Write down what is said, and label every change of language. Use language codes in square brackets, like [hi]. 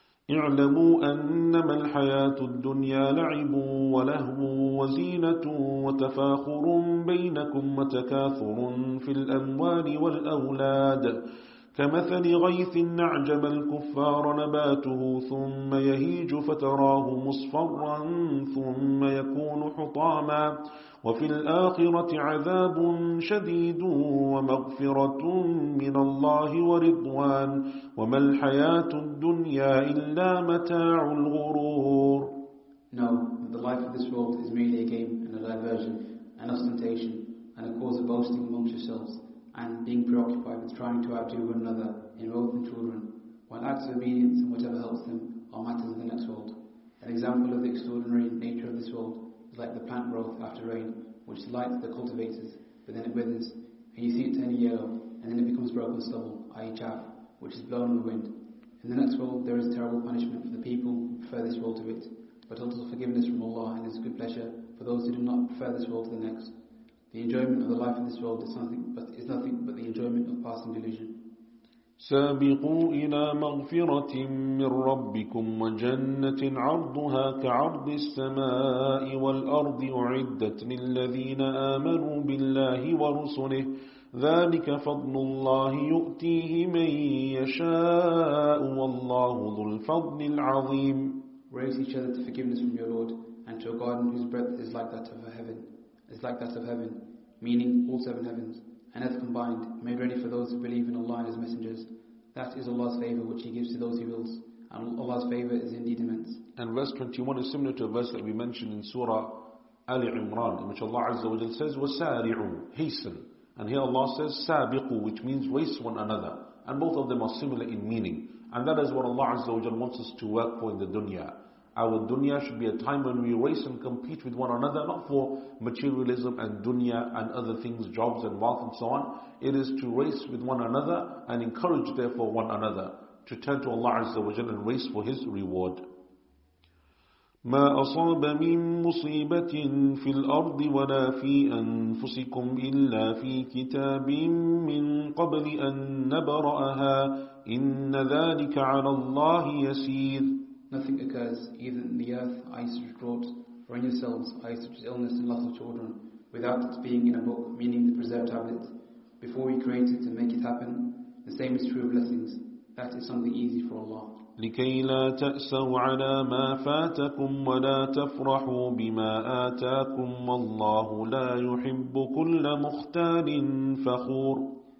[ar] اعلموا أنما الحياة الدنيا لعب ولهو وزينة وتفاخر بينكم وتكاثر في الأموال والأولاد كمثل غيث أعجب الكفار نباته ثم يهيج فتراه مصفرا ثم يكون حطاما وفي الآخرة عذاب شديد ومغفرة من الله ورضوان وما الحياة الدنيا إلا متاع الغرور. [en] No, the life of this world is merely a game and a diversion, an ostentation, and a cause of boasting amongst yourselves, and being preoccupied with trying to outdo one another in wealth and children, while acts of obedience and whatever helps them are matters of the next world. An example of the extraordinary nature of this world is like the plant growth after rain, which delights the cultivators, but then it withers, and you see it turning yellow, and then it becomes broken stubble, i.e. chaff, which is blown in the wind. In the next world there is terrible punishment for the people who prefer this world to it, but also forgiveness from Allah and His good pleasure for those who do not prefer this world to the next. The enjoyment of the life of this world is nothing but the enjoyment of passing delusion. [ar] سابقوا إلى مغفرة من ربكم وجنة عرضها كعرض السماء والأرض أعدت للذين آمنوا بالله ورسله ذلك فضل الله يؤتيه من يشاء والله ذو الفضل العظيم. [en] Raise each other to forgiveness from your Lord and to a garden whose breadth is like that of heaven, meaning all seven heavens and earth combined, made ready for those who believe in Allah and His messengers. That is Allah's favour which He gives to those He wills, and Allah's favour is indeed immense. And verse 21 is similar to a verse that we mentioned in Surah Ali Imran, in which Allah Azza wa Jalla says, وَسَارِعُوا, hasten. And here Allah says, سَابِقُوا, which means race one another. And both of them are similar in meaning. And that is what Allah Azza wa Jalla wants us to work for in the dunya. Our dunya should be a time when we race and compete with one another, not for materialism and dunya and other things, jobs and wealth and so on. It is to race with one another and encourage therefore one another to turn to Allah Azza wa Jalla and race for His reward. [ar] ما أصاب من مصيبة في الأرض ولا في أنفسكم إلا في كتاب من قبل أن نبرأها إن ذلك على الله يسير. [en] Nothing occurs, either in the earth, i.e. such drought, or in yourselves, i.e. such as illness and loss of children, without it being in a book, meaning the preserved tablet, before we create it and make it happen. The same is true of blessings. That is something easy for Allah. [ar] لِكَيْ لَا تَأْسَوْا عَلَى مَا فَاتَكُمْ وَلَا تَفْرَحُوا بِمَا آتَاكُمْ وَاللَّهُ لَا يُحِبُّ كُلَّ مُخْتَالٍ فَخُورٍ.